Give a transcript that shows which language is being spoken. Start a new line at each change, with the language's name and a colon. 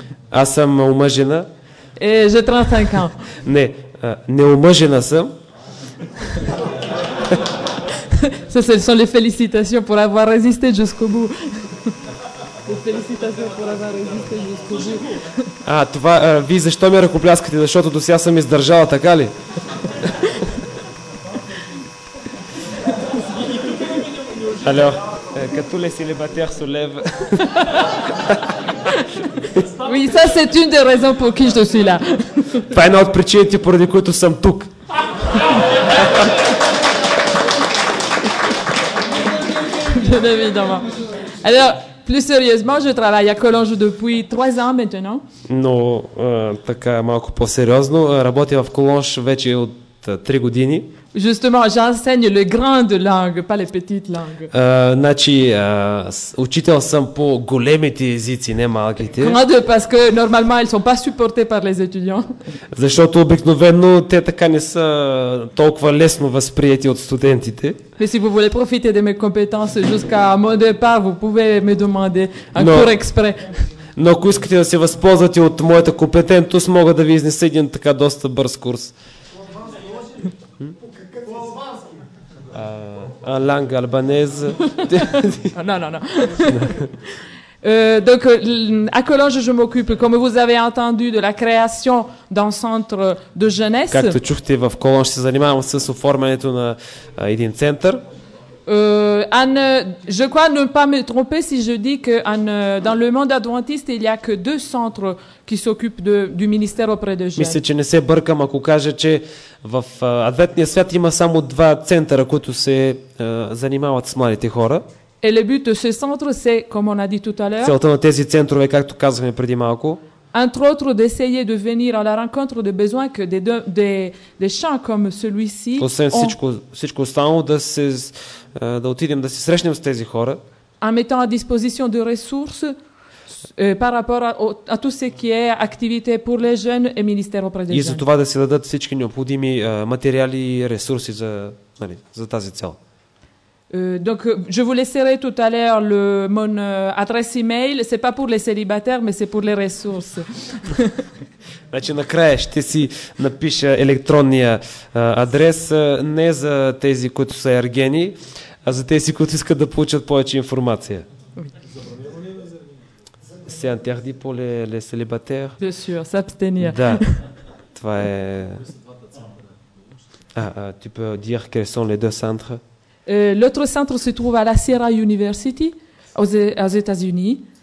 Bulgarian: Аз съм омъжена. Е, за 35 ans. Не, неумъжена съм.
French: Ce sont les félicitations pour avoir résisté jusqu'au bout. Les félicitations pour avoir résisté jusqu'au bout.
Bulgarian: А, това, вие защо ме ръкопляскате? Защото до сега съм издържала, така ли? Алло, като ли селебатер солев?
French: Oui, ça c'est une des raisons pour qui je suis là.
Bulgarian: Това е една от причините, поради които съм тук.
French: Bien évidemment. Alors, plus sérieusement, je travaille à Colonge depuis 3 ans maintenant.
Bulgarian: Но, така малко по-сериозно, работя в Колонж вече от 3 години.
French: Justement, j'enseigne les grandes langues, pas les petites langues.
Bulgarian: Значи, учител съм по големите езици, не малките.
French: Grande, parce que normalement, elles sont pas supportées par les étudiants.
Bulgarian: Защото обикновено те така не са толкова лесно възприети от студентите.
French: Mais si vous voulez profiter de mes compétences jusqu'à mon départ, vous pouvez me demander un cours exprès.
Bulgarian: Но ако искате да се възползвате от моята компетентност, мога да ви изнеса един така доста бърз курс.
French: Langue albanaise. Non. Donc, à Colonge, je m'occupe, comme vous avez entendu, de la création d'un centre de jeunesse.
Bulgarian: Както чухте, в Колонж се занимавам с оформянето на един център.
French: Anne, je crois ne pas me tromper si je dis que dans le monde adventiste, il y a que deux centres qui s'occupent du ministère auprès de jeunes.
Bulgarian: Мисля, че не се бъркам, ако кажа, че в адвентния свят има само два центъра, които се занимават с младите хора.
French: Et le but de ce centre, c'est, comme on a dit tout à l'heure,
Bulgarian: целта на тези центрове, както казахме преди малко,
French: entre autres d'essayer de venir à la rencontre des besoins que des champs comme celui-ci.
Bulgarian: Освен всичко останало, да отидем да се срещнем с тези хора.
French: En mettant à disposition de ressources par rapport à tout ce qui est activité pour les jeunes et ministère auprès des jeunes.
Bulgarian: И за това да се дадат всички необходими материали и ресурси за тази цел.
French: Donc, je vous laisserai tout à l'heure mon adresse email. C'est pas pour les célibataires, mais c'est pour les ressources.
Bulgarian: Значи, накрая ще си напиша електронния адрес, не за тези, които са ергени, а за тези, които искат да получат повече информация.
French: C'est interdit pour les célibataires. Bien sûr, s'abstenir.
Bulgarian: Да. Това е.
French: Tu peux dire quels sont les deux centres? L'autre centre se trouve à la Sierra University aux États-Unis.